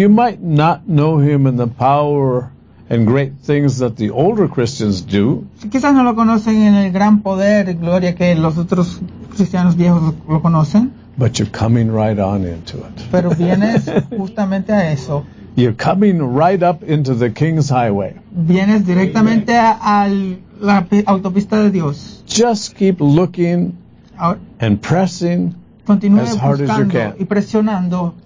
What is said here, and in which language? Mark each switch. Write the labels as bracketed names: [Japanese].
[English] You might not know him in the power and great things that the older Christians do. [Spanish] Quizás no lo conocen en el gran poder y gloria que los otros cristianos viejos lo conocen. [English] But you're coming right on into it. [Spanish] Pero vienes justamente a eso. [English] You're coming right up into the King's Highway. [Spanish] Vienes directamente a la autopista de Dios. [English] Just keep looking and pressing [Spanish] continúe [English] as hard [Spanish] buscando [English] as you can. [Spanish] Y presionando.